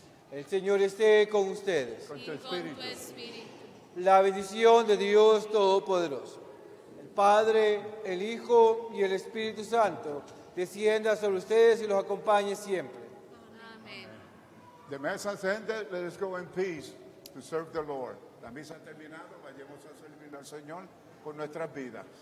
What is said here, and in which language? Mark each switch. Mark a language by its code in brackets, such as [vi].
[es] El Señor esté con ustedes. Y con tu espíritu. La bendición de Dios Todopoderoso, el Padre, el Hijo y el Espíritu Santo, descienda sobre ustedes y los acompañe siempre. Amén. [en] The mass has ended. Let us go in peace to serve the Lord. [es] La misa ha terminado. Vayamos a servir al Señor con nuestras vidas.